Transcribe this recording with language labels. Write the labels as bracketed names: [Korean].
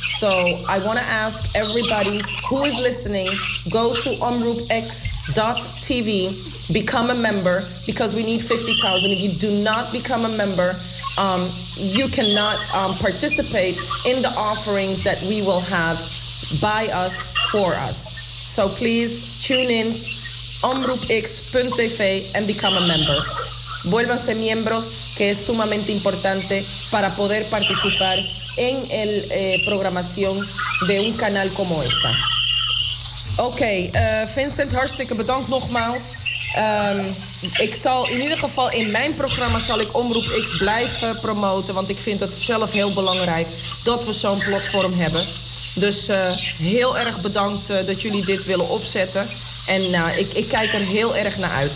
[English] So I want to ask everybody who is listening, go to omroepx.tv, become a member, because we need 50,000. If you do not become a member, you cannot participate in the offerings that we will have by us, for us. So please tune in, omroepx.tv, and become a member. [Spanish] Vuélvanse miembros, que es sumamente importante para poder participar en el programación de un canal como esta. [Dutch] Okay, Vincent, hartstikke bedankt nogmaals. Ik zal in ieder geval in mijn programma zal ik Omroep X blijven promoten, want ik vind het zelf heel belangrijk dat we zo'n platform hebben. Dus heel erg bedankt dat jullie dit willen opzetten. En ik kijk er heel erg naar uit.